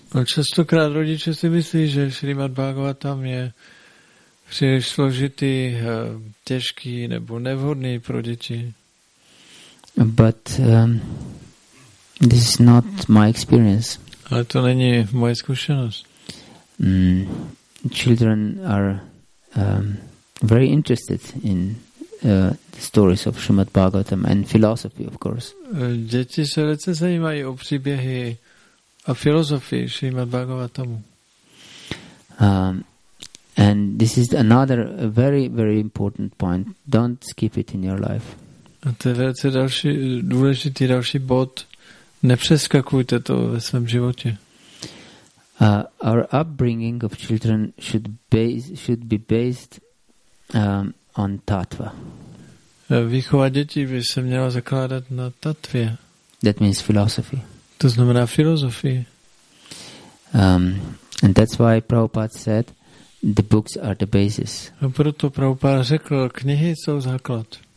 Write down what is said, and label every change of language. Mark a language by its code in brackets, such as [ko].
[cs] Častokrát rodiče si myslí, že Srimad Bhagavatam je příliš složitý, těžký nebo nevhodný pro děti. [en] But this is not my experience. [cs] Ale to není moje zkušenost. [en] Children are very interested in the stories of Srimad Bhagavatam and philosophy, of course. [cs] Děti se velice zajímají o příběhy a filozofii Srimad Bhagavatamu. [en] And this is another very, very important point. Don't skip it in your life. [cs] A to je velice další, důležitý další bod. Nepřeskakujte to ve svém životě. [en] Our upbringing of children should be based on tattva. [cs] Výchova dětí by se měla zakládat na tattvě. [en] That means philosophy. [cs] To znamená filozofii. [en] And that's why Prabhupada said the books are the basis. [cs] A proto Prabhupada řekl, knihy jsou základ.